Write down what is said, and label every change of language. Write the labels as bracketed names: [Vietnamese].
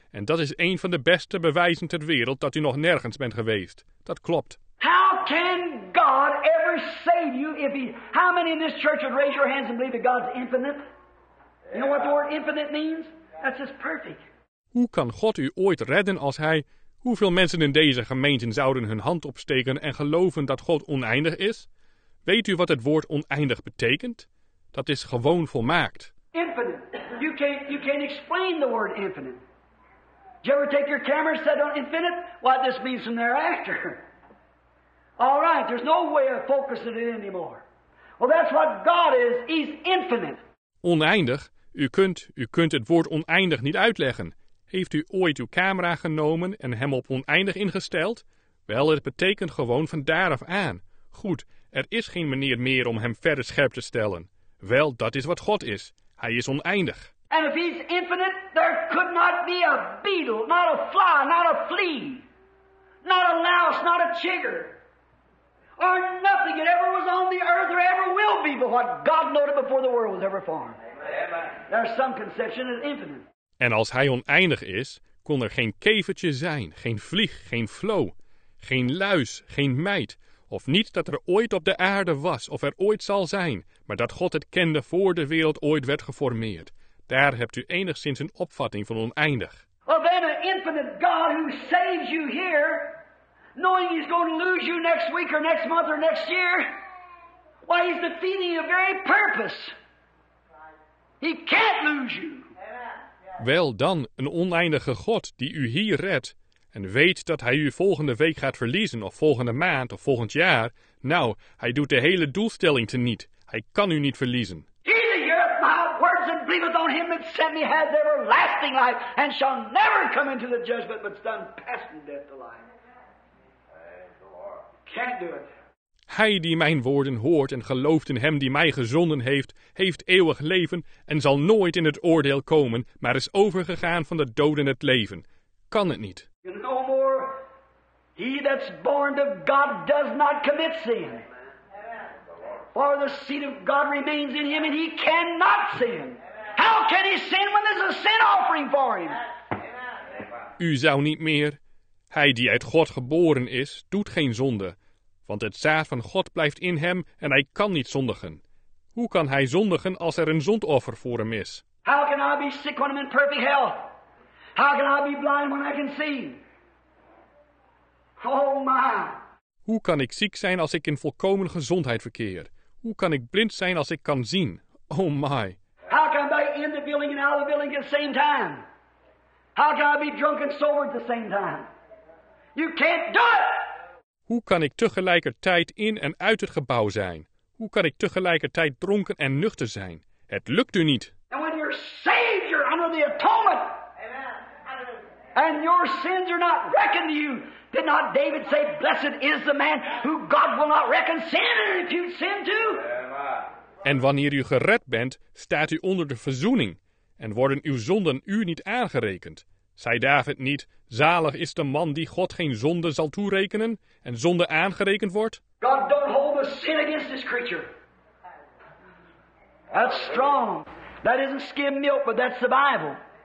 [Dutch] En dat is een van de beste bewijzen ter wereld dat u nog nergens bent geweest. Dat klopt. [English] How can God ever save you if he... How many in this church would raise your hands and believe that God's infinite? You know what the word infinite means? That's just perfect. [Dutch] Hoe kan God u ooit redden als hij... Hoeveel mensen in deze gemeente zouden hun hand opsteken en geloven dat God oneindig is? Weet u wat het woord oneindig betekent? Dat is gewoon volmaakt. [English] Infinite. You can't explain the word infinite. Did you ever take your camera and set on infinite? What this means from thereafter. All right, there's no way of focusing it anymore. Well, that's what God is. He's infinite. [Dutch] Oneindig? U kunt het woord oneindig niet uitleggen. Heeft u ooit uw camera genomen en hem op oneindig ingesteld? Wel, het betekent gewoon van daar af aan. Goed, er is geen manier meer om hem verder scherp te stellen. Wel, dat is wat God is. Hij is oneindig. [English] And if he's infinite, there could not be a beetle, not a fly, not a flea, not a louse, not a chigger, or nothing that ever was on the earth or ever will be but what God noted before the world was ever formed. Amen. There's some conception of infinite. [Dutch] En als hij oneindig is, kon er geen kevertje zijn, geen vlieg, geen vlo, geen luis, geen meid, of niet dat er ooit op de aarde was of er ooit zal zijn, maar dat God het kende voor de wereld ooit werd geformeerd. Daar hebt u enigszins een opvatting van oneindig. [English] Well, then an infinite God who saves you here, knowing he's going to lose you next week or next month or next year, why he's defeating your very purpose. He can't lose you. [Dutch] Wel dan, een oneindige God die u hier redt en weet dat hij u volgende week gaat verliezen of volgende maand of volgend jaar. Nou, hij doet de hele doelstelling teniet. Hij kan u niet verliezen. [English] He that heareth my words and believeth on him that sent me has everlasting life and shall never come into the judgment but stand past in death to life. Can't do it. [Dutch] Hij die mijn woorden hoort en gelooft in hem die mij gezonden heeft, heeft eeuwig leven en zal nooit in het oordeel komen, maar is overgegaan van de dood in het leven. Kan het niet. [English] No more. He that's born of God does not commit sin. For the seed of God remains in him and he cannot sin. How can he sin when there's a sin offering for him? [Dutch] U zou niet meer. Hij die uit God geboren is, doet geen zonde. Want het zaad van God blijft in hem en hij kan niet zondigen. Hoe kan hij zondigen als er een zondoffer voor hem is? [English] How can I be sick when I'm in perfect health? How can I be blind when I can see? Oh my! [Dutch] Hoe kan ik ziek zijn als ik in volkomen gezondheid verkeer? Hoe kan ik blind zijn als ik kan zien? [English] Oh my! How can I be in the building and out of the building at the same time? How can I be drunk and sober at the same time? You can't do it! [Dutch] Hoe kan ik tegelijkertijd in en uit het gebouw zijn? Hoe kan ik tegelijkertijd dronken en nuchter zijn? Het lukt u niet. [English] And when you're saved, you're under the atonement. Amen. And your sins are not reckoned to you. Did not David say, blessed is the man who God will not reckon sin and impute sin to? Amen. [Dutch] En wanneer u gered bent, staat u onder de verzoening en worden uw zonden u niet aangerekend. Zei David niet, zalig is de man die God geen zonde zal toerekenen en zonde aangerekend wordt? [English] God don't hold was sin against this creature. That's strong. That isn't skim milk, but that's the Bible.